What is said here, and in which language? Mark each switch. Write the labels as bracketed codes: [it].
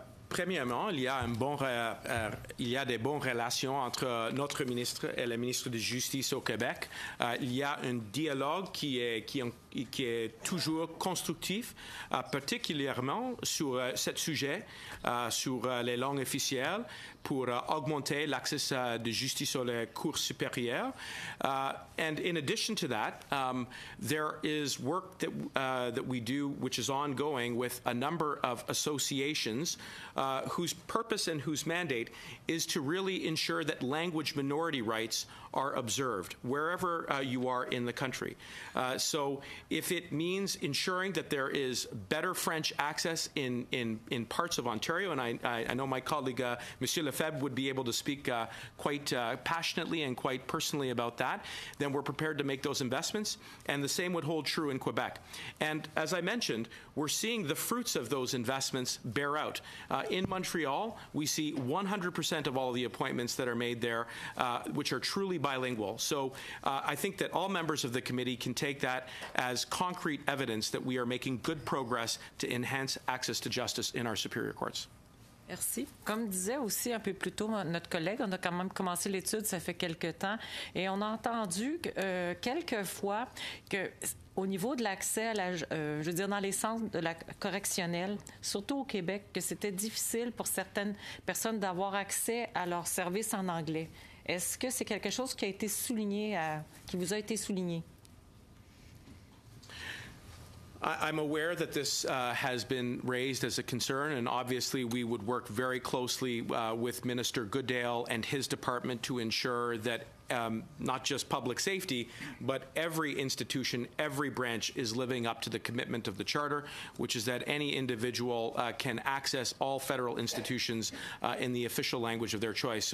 [fr] Premièrement, il y a des bonnes relations entre notre ministre et le ministre de Justice au Québec. Il y a un dialogue qui est toujours constructif, particulièrement sur ce sujet, sur les langues officielles, pour augmenter l'accès de justice aux cours supérieures. [en] And in addition to that, there is work that that we do, which is ongoing, with a number of associations whose purpose and whose mandate is to really ensure that language minority rights are observed wherever you are in the country. So if it means ensuring that there is better French access in parts of Ontario, and I know my colleague Monsieur Lefebvre would be able to speak quite passionately and quite personally about that, then we're prepared to make those investments. And the same would hold true in Quebec. And as I mentioned, we're seeing the fruits of those investments bear out. In Montreal, we see 100% of all the appointments that are made there, which are truly bilingual. So I think that all members of the committee can take that as concrete evidence that we are making good progress to enhance access to justice in our superior courts. [fr] Merci. Comme disait aussi un peu plus tôt notre collègue, on a quand même commencé l'étude, ça fait quelque temps, et on a entendu quelques fois que au niveau de l'accès à la, je veux dire, dans les centres de la correctionnelle, surtout au Québec, que c'était difficile pour certaines personnes d'avoir accès à leurs services en anglais. Est-ce que c'est quelque chose qui a été souligné, qui vous a été souligné? [en] I'm aware that this has been raised as a concern, and obviously we would work very closely with Minister Goodale and his department to ensure that not just public safety, but every institution, every branch is living up to the commitment of the Charter, which is that any individual can access all federal institutions in the official language of their choice.